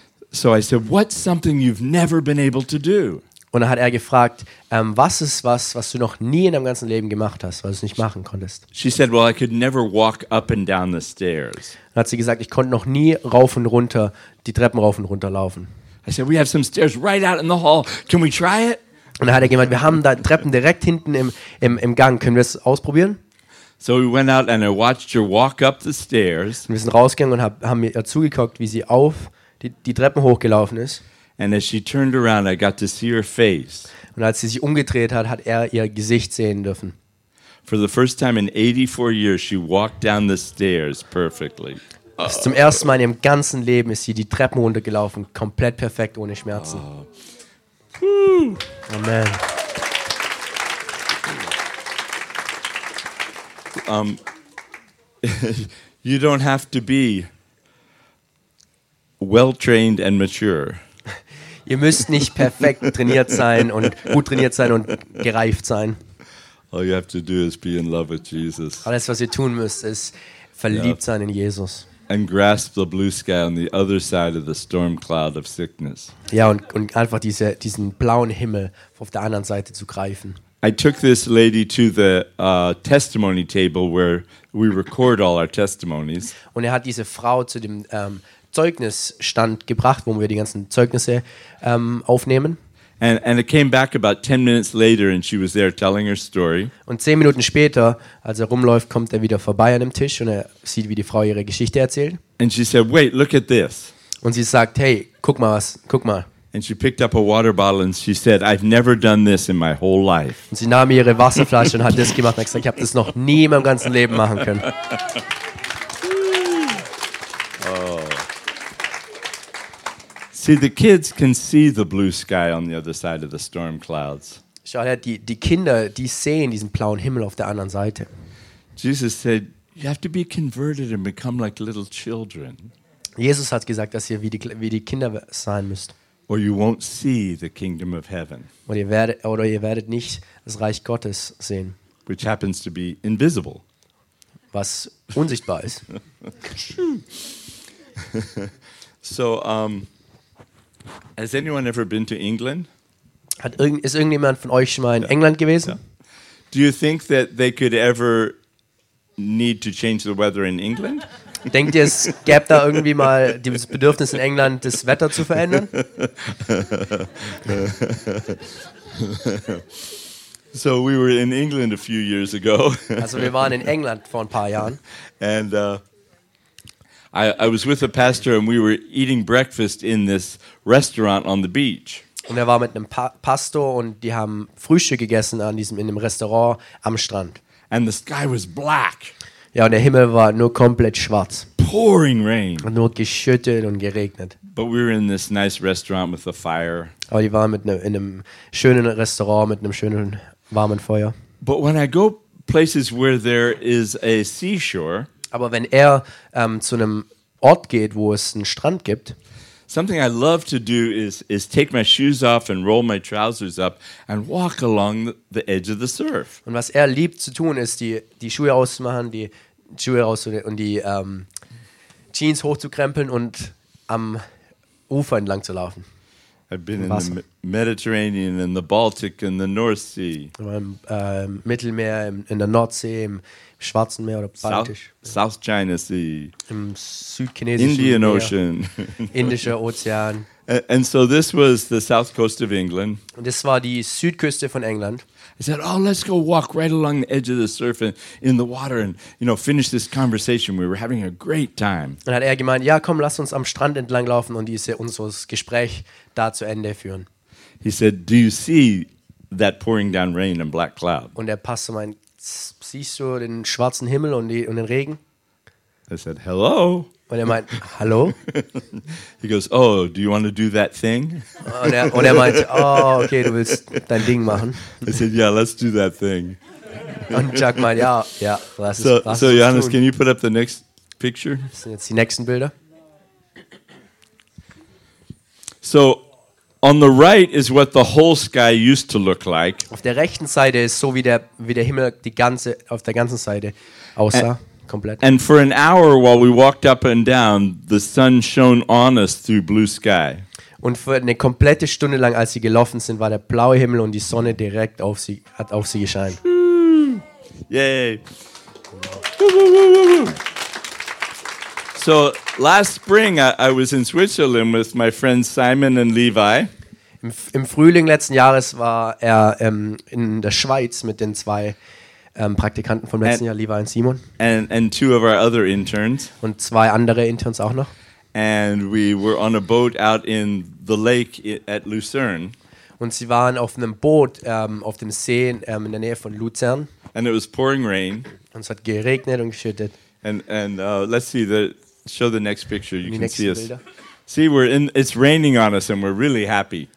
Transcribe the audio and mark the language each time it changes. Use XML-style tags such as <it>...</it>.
<en>So I said, "What's something you've never been able to do?"</en> <de>Und dann hat er gefragt, was ist was du noch nie in deinem ganzen Leben gemacht hast, was du nicht machen konntest?</de> <en>She said, "Well, I could never walk up and down the stairs."</en> <de>Dann hat sie gesagt, ich konnte noch nie rauf und runter, die Treppen rauf und runter laufen.</de> <en>I said, "We have some stairs right out in the hall. Can we try it?"</en> <de>Und dann hat er gemeint, wir haben da Treppen direkt hinten im Gang. Können wir es ausprobieren?</de> <en>So we went out and I watched her walk up the stairs.</en> <de>Und wir sind rausgegangen und haben ihr zugeguckt, wie sie auf die Treppen hochgelaufen ist.</de> <en>And as she turned around, I got to see her face.</en> <de>Und als sie sich umgedreht hat, hat ihr Gesicht sehen dürfen.</de> <en>For the first time in 84 years, she walked down the stairs perfectly.</en> <de>Zum ersten Mal in ihrem ganzen Leben ist sie die Treppen runtergelaufen, komplett perfekt, ohne Schmerzen.</de> <en>Oh. Amen. you don't have to be well trained and mature.</en> <de>Ihr müsst nicht perfekt trainiert sein und gut trainiert sein und gereift sein.</de> <en>All you have to do is be in love with Jesus.</en> <de>Alles, was ihr tun müsst, ist verliebt sein in Jesus.</de> <en>And grasp the blue sky on the other side of the storm cloud of sickness.</en> <de>Ja, und einfach diesen blauen Himmel auf der anderen Seite zu greifen.</de> <en>I took this lady to the testimony table where we record all our testimonies.</en> <de>Und hat diese Frau zu dem Zeugnisstand gebracht, wo wir die ganzen Zeugnisse aufnehmen.</de> <en>And it came back about 10 minutes later and she was there telling her story.</en> <de>Und 10 Minuten später, als er rumläuft, kommt er wieder vorbei an dem Tisch und er sieht, wie die Frau ihre Geschichte erzählt.</de> <en>And she said, "Wait, look at this."</en> <de>Und sie sagt, hey, guck mal was, guck mal.</de> <en>And she picked up a water bottle and she said, "I've never done this in my whole life."</en> <de>Und sie nahm ihre Wasserflasche und hat das gemacht und gesagt, ich habe das noch nie in meinem ganzen Leben machen können.</de> <en>See, the kids can see the blue sky on the other side of the storm clouds.</en> <de>Schau her, die Kinder, die sehen diesen blauen Himmel auf der anderen Seite.</de> <en>Jesus said, "You have to be converted and become like little children."</en> <de>Jesus hat gesagt, dass ihr wie die Kinder sein müsst.</de> <en>Or you won't see the kingdom of heaven.</en> <de>Oder ihr werdet nicht das Reich Gottes sehen.</de> <en>Which happens to be invisible.</en> <de>Was unsichtbar ist.</de> <en>Has anyone ever been to England?</en> <de>Ist irgendjemand von euch schon mal in England gewesen?</de> <en>Yeah. Do you think that they could ever need to change the weather in England?</en> <de>Denkt ihr, es gäbe da irgendwie mal das Bedürfnis in England, das Wetter zu verändern?</de> <en>So we were in England a few years ago.</en> <de>Also wir waren in England vor ein paar Jahren.</de> <en>And I was with a pastor and we were eating breakfast in this restaurant on the beach.</en> <de>Und er war mit einem Pastor und die haben Frühstück gegessen in einem Restaurant am Strand.</de> <en>And the sky was black.</en> <de>Ja, und der Himmel war nur komplett schwarz.</de> <en>Pouring rain.</en> <de>Und nur geschüttet und geregnet.</de> <en>But we were in this nice restaurant with a fire.</en> <de>Aber die waren in einem schönen Restaurant mit einem schönen warmen Feuer.</de> <en>But when I go places where there is a seashore,</en> <de>aber wenn er zu einem Ort geht, wo es einen Strand gibt,</de> <en>something I love to do is take my shoes off and roll my trousers up and walk along the edge of the surf.</en> <de>Und was er liebt zu tun ist, die Schuhe auszumachen, die Schuhe raus und die Jeans hochzukrempeln und am Ufer entlang zu laufen.</de> <en>I've been in the Mediterranean and the Baltic and the North Sea.</en> <de>Mittelmeer, in der Nordsee, im Schwarzen Meer oder Baltisch.</de> <en>South China Sea.</en> <de>Im Südchinesischen</de> <en>Indian Meer. Ocean.</en> <de>Indischer Ozean.</de> <en>And so this was the south coast of England.</en> <de>Und das war die Südküste von England.</de> <en>I said, "Oh, let's go walk right along the edge of the surf and in the water and, you know, finish this conversation. We were having a great time."</en> <de>Und hat er gemeint, ja, komm, lass uns am Strand entlang laufen und unser Gespräch da zu Ende führen.</de> <en>He said, "Do you see that pouring down rain and black cloud?"</en> <de>Und der Pastor meint, siehst du den schwarzen Himmel und den Regen?</de> <en>I said, "Hello."</en> <de>Und er meint, hallo?</de> <en>He goes, "Oh, do you want to do that thing?"</en> <de>Und er meint, oh, okay, du willst dein Ding machen.</de> <en>I said, "Yeah, let's do that thing."</en> <de>Und Jack meint, ja, ja, lass so, es</de> <en>So, Johannes, can you put up the next picture?</en> <de>Das sind jetzt die nächsten Bilder.</de> <en>So, on the right is what the whole sky used to look like.</en> <de>Auf der rechten Seite ist so, wie der Himmel auf der ganzen Seite aussah. Komplett.</de> <en>And for an hour while we walked up and down, the sun shone on us through blue sky.</en> <de>Und für eine komplette Stunde lang, als sie gelaufen sind, war der blaue Himmel und die Sonne direkt auf sie gescheint. Yay!</de> <en>So last spring I was in Switzerland with my friends Simon and Levi.</en> <de>Im Frühling letzten Jahres war er in der Schweiz mit den zwei Praktikanten vom letzten Jahr, Levi und Simon.</de> <en>And two of our other interns.</en> <de>Und zwei andere Interns auch noch.</de> <en>And we were on a boat out in the lake at Lucerne.</en> <de>Und sie waren auf einem Boot auf dem See in der Nähe von Luzern.</de> <en>And it was pouring rain.</en> <de>Und es hat geregnet und geschüttet.</de> <en>And let's see show the next picture. You can see us. See, it's raining on us and we're really happy.</en>